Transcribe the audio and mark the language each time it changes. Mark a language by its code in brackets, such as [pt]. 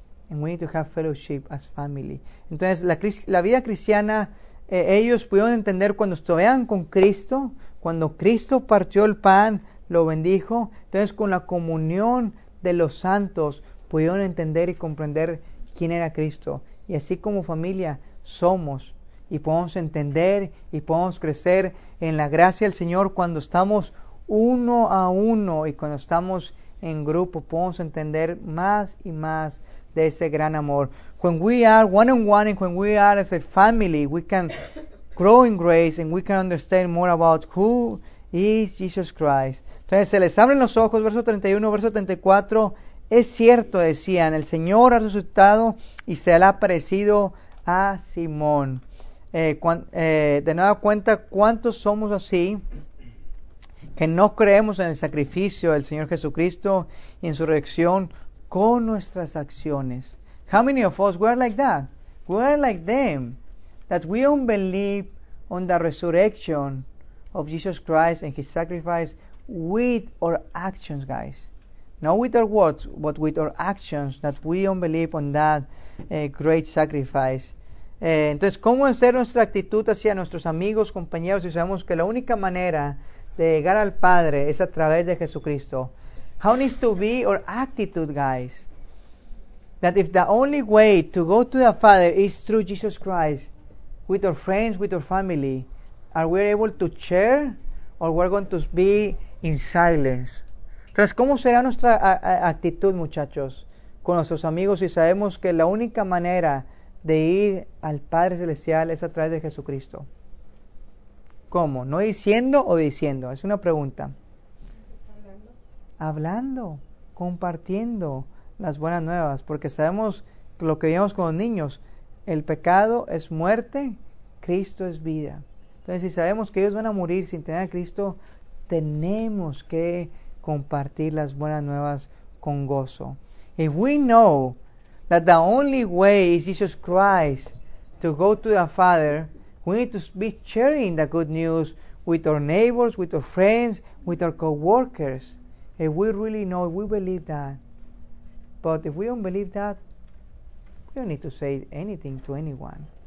[en] And we need to have fellowship as family. [es] Entonces, la vida cristiana, ellos pudieron entender cuando estuvieron con Cristo, cuando Cristo partió el pan, lo bendijo. Entonces, con la comunión de los santos, pudieron entender y comprender quién era Cristo. Y así como familia, somos. Y podemos entender y podemos crecer en la gracia del Señor cuando estamos uno a uno y cuando estamos en grupo, podemos entender más y más de ese gran amor. [en] When we are one on one and when we are as a family, we can grow in grace and we can understand more about who is Jesus Christ. [es] Entonces se les abren los ojos, verso 31, verso 34. Es cierto, decían, el Señor ha resucitado y se le ha aparecido a Simón. De nueva cuenta, ¿cuántos somos así que no creemos en el sacrificio del Señor Jesucristo y en su resurrección con nuestras acciones? [en] How many of us were like that? We are like them, that we don't believe on the resurrection of Jesus Christ and his sacrifice with our actions, guys. Not with our words, but with our actions, that we don't believe on that great sacrifice. [es] Entonces, ¿cómo hacer nuestra actitud hacia nuestros amigos, compañeros, si sabemos que la única manera de llegar al Padre es a través de Jesucristo? [en] How needs to be our attitude, guys? That if the only way to go to the Father is through Jesus Christ, with our friends, with our family, are we able to share or we're going to be in silence? [es] Entonces, ¿cómo será nuestra actitud, muchachos, con nuestros amigos si sabemos que la única manera de ir al Padre Celestial es a través de Jesucristo? ¿Cómo? ¿No diciendo o diciendo? Es una pregunta. Hablando. Hablando, compartiendo las buenas nuevas, porque sabemos lo que vivimos con los niños. El pecado es muerte, Cristo es vida. Entonces, si sabemos que ellos van a morir sin tener a Cristo, tenemos que compartir las buenas nuevas con gozo. [en] If we know that the only way is Jesus Christ to go to the Father, we need to be sharing the good news with our neighbors, with our friends, with our co-workers. If we really know, we believe that. But if we don't believe that, we don't need to say anything to anyone.